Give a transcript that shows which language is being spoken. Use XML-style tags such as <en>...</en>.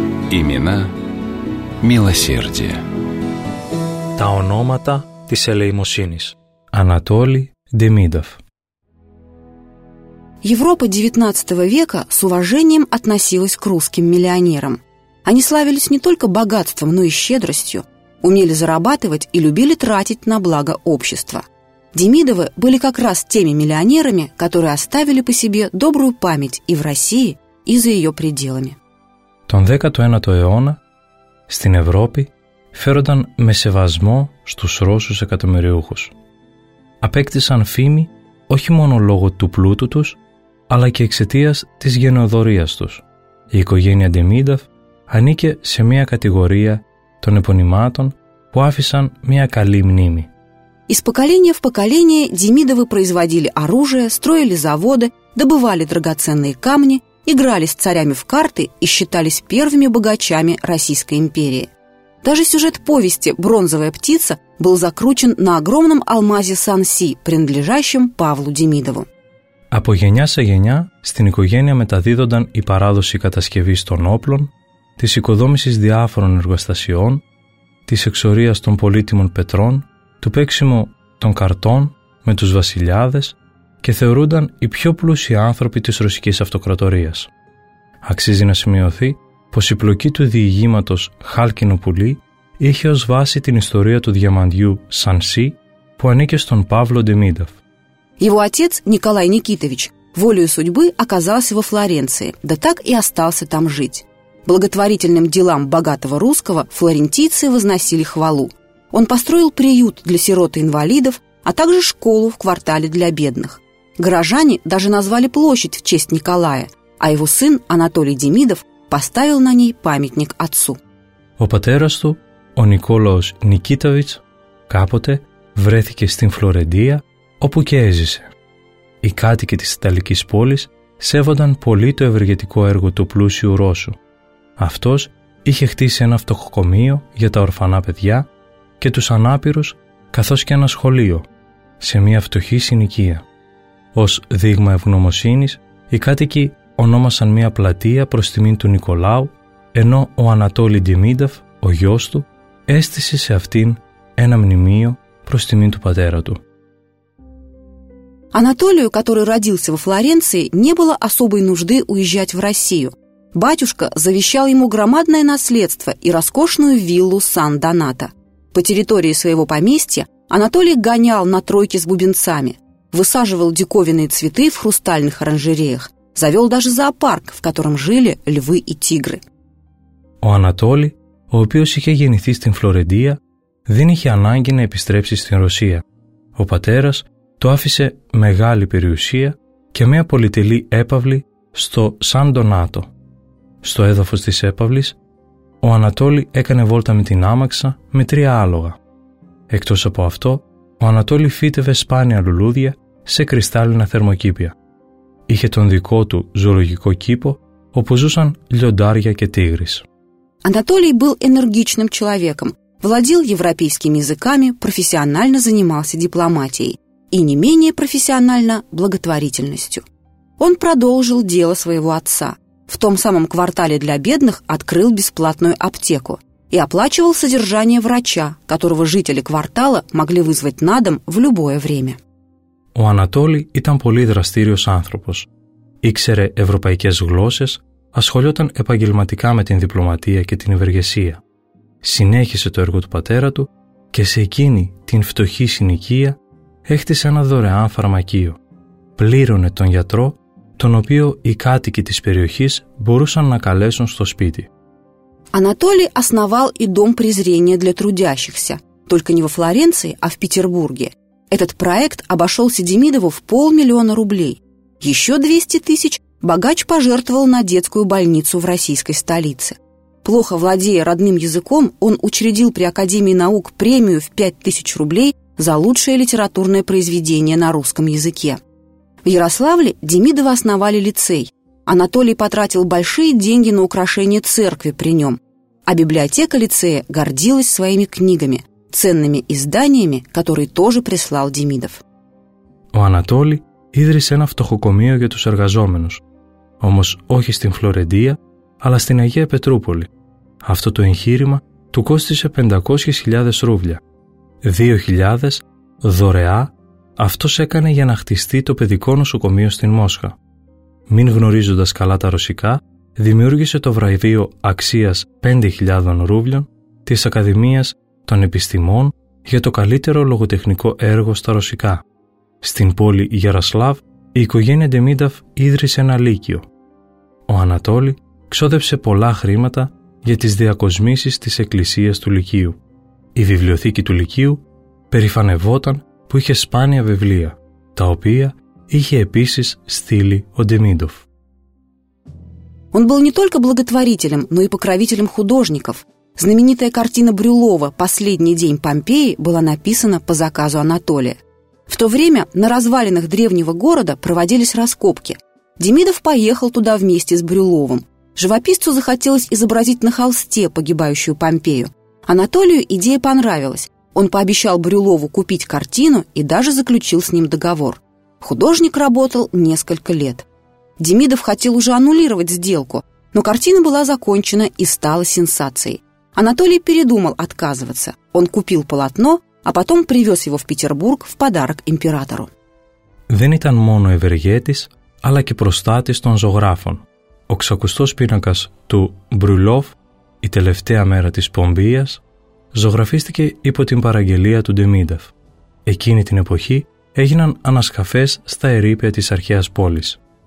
<ru>Имена милосердия.</ru> <el>Τα ονόματα της ελεημοσύνης. Ανατόλη Демидов.</el> <ru>Европа XIX века с уважением относилась к русским миллионерам. Они славились не только богатством, но и щедростью, умели зарабатывать и любили тратить на благо общества. Демидовы были как раз теми миллионерами, которые оставили по себе добрую память и в России, и за ее пределами.</ru> <el>Τον 19ο αιώνα στην Ευρώπη φέρονταν με σεβασμό στους Ρώσους εκατομμυριούχους. Απέκτησαν φήμη όχι μόνο λόγω του πλούτου τους, αλλά και εξαιτίας της γενεοδορίας τους. Η οικογένεια Demidoff ανήκε σε μια κατηγορία των επωνυμάτων που άφησαν μια καλή μνήμη.</el> <ru>Из поколения в поколение Демидовы производили оружие, строили заводы, добывали драгоценные камни, играли с царями в карты и считались первыми богачами Российской империи. Даже сюжет повести «Бронзовая птица» был закручен на огромном алмазе Сан-Си, принадлежащем Павлу Демидову.</ru> <el>Από γενιά σε γενιά στην οικογένεια μεταδίδονταν η παράδοση κατασκευής των όπλων, της οικοδόμησης διάφορων εργοστασιών, της εξορίας των πολύτιμων πετρών, του παίξιμου των καρτών με τους βασιλιάδες και θεωρούνταν οι πιο πλούσιοι άνθρωποι της Ρωσικής Αυτοκρατορίας. Αξίζει να σημειωθεί πως η πλοκή του διηγήματος «Χάλκινο πουλί» είχε ως βάση την ιστορία του διαμαντιού Σανσί που ανήκε στον Παύλο Демидоφ.</el> <ru>Его отец, Николай Никитович, волею судьбы оказался во Флоренции, да так и остался там жить. Благотворительным делам богатого русского флорентийцы возносили хвалу. Он построил приют для сирот и инвалидов, а также школу в квартале для бедных. Горожане даже назвали площадь в честь Николая, а его сын Анатолий Демидов поставил на ней памятник отцу.</ru> <el>Ο πατέρας του, ο Νικόλαος Νικίτοβιτς, κάποτε βρέθηκε στην Φλωρεντία, όπου και έζησε. Οι κάτοικοι της Ιταλικής πόλης σέβονταν πολύ το ευεργετικό έργο του πλούσιου Ρώσου. Αυτός είχε χτίσει ένα φτωχοκομείο για τα ορφανά παιδιά και τους ανάπηρους, καθώς και ένα σχολείο, σε μια φτωχή συνοικία. Ως δείγμα ευγνωμοσύνης, οι κάτοικοι ονόμασαν μια πλατεία προς τιμήν του Νικολάου, ενώ ο Ανατόλη Демидоφ, ο γιος του, έστησε σε αυτήν ένα μνημείο προς τιμήν του πατέρα του.</el> <ru>Анатолию, который родился во Флоренции, не было особой нужды уезжать в Россию. Батюшка завещал ему громадное наследство и роскошную виллу Сан-Донато. По территории своего поместья Анатолий гонял на тройке с бубенцами, высаживал диковинные цветы в хрустальных оранжереях, завел даже зоопарк, в котором жили львы и тигры.</ru> <el>Ο Анатолий, ο οποίος είχε γεννηθεί στην Φλωρεντία, δεν είχε ανάγκη να επιστρέψει στην Ρωσία. Ο πατέρας του άφησε μεγάλη περιουσία και μια πολυτελή έπαυλη στο Σαν Ντονάτο. Στο έδαφος της έπαυλης, ο Ανατόλη έκανε βόλτα με την άμαξα με τρία άλογα. Εκτός από αυτό, ο Ανατόλη φύτευε σπάνια λουλούδια σε κρυστάλλινα θερμοκήπια. Είχε τον δικό του ζωολογικό κήπο όπου ζούσαν λιοντάρια και τίγρεις.</el> <ru>Анатолий был энергичным человеком, владел европейскими языками, профессионально занимался дипломатией и не менее профессионально благотворительностью. Он продолжил дело своего отца. В том самом квартале для бедных открыл бесплатную аптеку и оплачивал содержание врача, которого жители квартала могли вызвать на дом в любое время.</ru> <el>У Анатолий ήταν πολύ δραστήριος άνθρωπος. Ήξερε ευρωπαϊκές γλώσσες, ασχολιόταν επαγγελματικά με την διπλωματία και την ευεργεσία. Συνέχισε το έργο του πατέρα του και σε εκείνη την φτωχή συνοικία έχτισε ένα δωρεάν φαρμακείο. Πλήρωνε τον γιατρό, τον οποίο οι κάτοικοι της περιοχής μπορούσαν να καλέσουν στο σπίτι.</el> <ru>Анатолий основал и дом презрения для трудящихся, только не во Флоренции, а в Петербурге. Этот проект обошелся Демидову в 500 000 рублей. Еще 200 тысяч богач пожертвовал на детскую больницу в российской столице. Плохо владея родным языком, он учредил при Академии наук премию в 5000 рублей за лучшее литературное произведение на русском языке. В Ярославле Демидовы основали лицей. Анатолий потратил большие деньги на украшение церкви при нем, а библиотека лицея гордилась своими книгами, ценными изданиями, которые тоже прислал Демидов.</ru> <el>У Анатолий ίδρυσε ένα φτωχοκομείο για τους εργαζόμενους, όμως όχι στην Φλωρεντία, αλλά στην Αγία Πετρούπολη. Αυτό το εγχείρημα του κόστισε 500.000 ρούβλια. 2.000 δωρεά αυτός έκανε για να χτιστεί το παιδικό νοσοκομείο στην Μόσχα. Μην γνωρίζοντας καλά τα ρωσικά, δημιούργησε το βραβείο αξίας 5.000 ρούβλων της Ακαδημίας των Επιστημών για το καλύτερο λογοτεχνικό έργο στα ρωσικά. Στην πόλη Γιαροσλάβ, η οικογένεια Ντεμίνταφ ίδρυσε ένα λύκειο. Ο Ανατόλης ξόδεψε πολλά χρήματα για τις διακοσμήσεις της εκκλησίας του λυκείου. Η βιβλιοθήκη του λυκείου περηφανευόταν που είχε σπάνια βιβλία, τα οποία είχε επίσης στείλει ο Ντεμίντοφ.</el> <ru>Он был не только благотворителем, но и покровителем художников. Знаменитая картина Брюлова «Последний день Помпеи» была написана по заказу Анатолия. В то время на развалинах древнего города проводились раскопки. Демидов поехал туда вместе с Брюловым. Живописцу захотелось изобразить на холсте погибающую Помпею. Анатолию идея понравилась. Он пообещал Брюлову купить картину и даже заключил с ним договор. Художник работал несколько лет. Демидов хотел уже аннулировать сделку, но картина была закончена и стала сенсацией. Анатолий передумал отказываться. Он купил полотно, а потом привез его в Петербург в подарок императору.</ru> <el>Δεν ήταν μόνο ευεργέτης, αλλά και προστάτης των ζωγράφων. Ο ξακουστός πίνακας του Μπρουλόφ, η τελευταία μέρα της Πομπείας, ζωγραφίστηκε υπό την παραγγελία του Ντεμίνταφ. Εκείνη την εποχή έγιναν ανασκαφές στα ερείπια της αρχαίας πόλης.</el>